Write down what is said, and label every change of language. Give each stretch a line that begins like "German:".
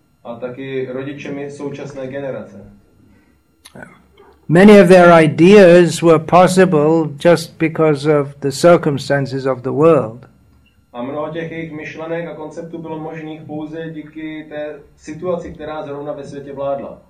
Czech: A taky rodičemi současné generace.
English: Many of their ideas were possible just because of the circumstances of the world.
Czech: A mnoho těch jejich myšlenek a konceptů bylo možných pouze díky té situaci, která zrovna ve světě vládla.